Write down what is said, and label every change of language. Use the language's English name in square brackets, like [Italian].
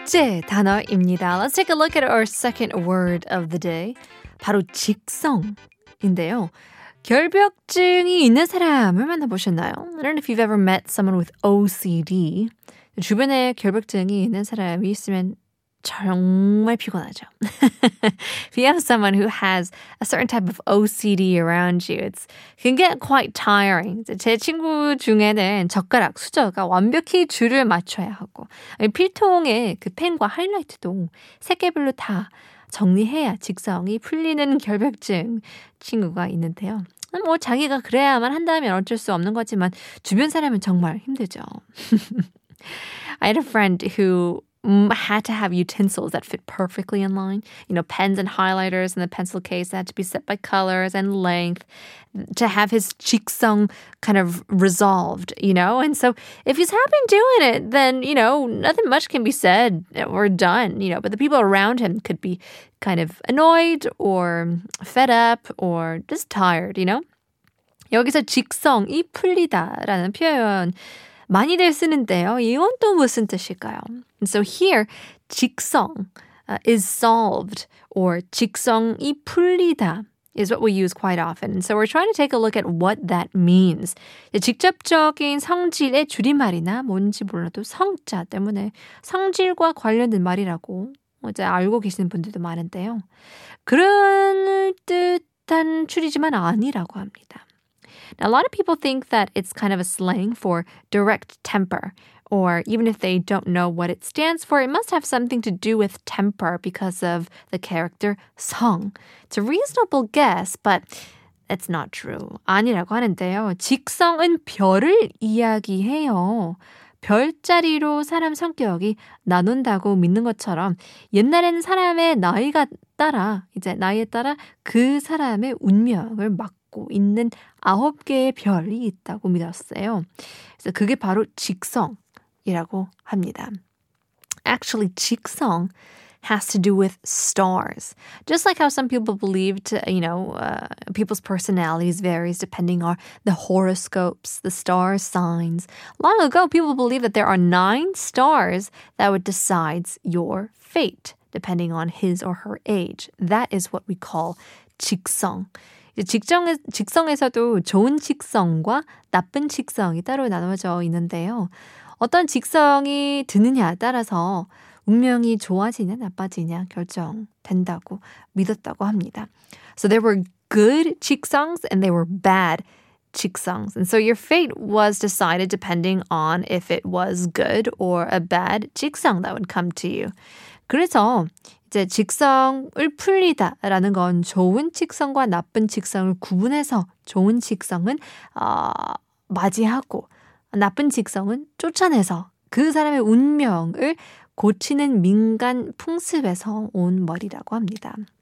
[English] Let's take a look at our second word of the day. [Korean] 바로 직성인데요. 결벽증이 있는 사람을 만나보셨나요? [English] I don't know if you've ever met someone with OCD. [Korean] 주변에 결벽증이 있는 사람이 있으면 정말 피곤하죠. [English] If you have someone who has a certain type of OCD around you, it can get quite tiring. [Korean] 제 친구 중에는 젓가락 수저가 완벽히 줄을 맞춰야 하고 필통에 그 펜과 하이라이트도 색깔별로 다 정리해야 직성이 풀리는 결벽증 친구가 있는데요. 뭐 자기가 그래야만 한다면 어쩔 수 없는 거지만 주변 사람은 정말 힘들죠. [English] I had a friend who had to have utensils that fit perfectly in line. You know, pens and highlighters and the pencil case had to be set by colors and length to have his 직성 kind of resolved, you know? And so if he's happy doing it, then, you know, nothing much can be said or done, you know? But the people around him could be kind of annoyed or fed up or just tired, you know? [Korean] 여기서 직성이 풀리다라는 표현 많이들 쓰는데요. 이건 또 무슨 뜻일까요? [English] And so here, 직성 is solved or [Korean] 직성이 풀리다 [English] is what we use quite often. And so we're trying to take a look at what that means. [Korean] 직접적인 성질의 줄임말이나 뭔지 몰라도 성자 때문에 성질과 관련된 말이라고 이제 알고 계시는 분들도 많은데요. 그런 듯한 줄이지만 아니라고 합니다. [English] Now, a lot of people think that it's kind of a slang for direct temper, or even if they don't know what it stands for, it must have something to do with temper because of the character 성. It's a reasonable guess, but it's not true. [Korean] 아니라고 하는데요. 직성은 별을 이야기해요. 별자리로 사람 성격이 나눈다고 믿는 것처럼 옛날에는 사람의 나이가 따라, 이제 나이에 따라 그 사람의 운명을 막 있는 아홉 개의 별이 있다고 믿었어요. 그래서 그게 바로 직성이라고 합니다. [English] Actually, 직성 has to do with stars. Just like how some people believed, you know, people's personalities varies depending on the horoscopes, the star signs. Long ago, people believed that there are nine stars that would decide your fate depending on his or her age. That is what we call 직성. [Korean] 직성에서도 좋은 직성과 나쁜 직성이 따로 나눠져 있는데요. 어떤 직성이 드느냐에 따라서 운명이 좋아지냐 나빠지냐 결정된다고 믿었다고 합니다. [English] So there were good 직성s and there were bad 직성s. And so your fate was decided depending on if it was good or a bad 직성 that would come to you. [Korean] 그래서 이제 직성을 풀리다라는 건 좋은 직성과 나쁜 직성을 구분해서 좋은 직성은 맞이하고 나쁜 직성은 쫓아내서 그 사람의 운명을 고치는 민간 풍습에서 온 머리라고 합니다.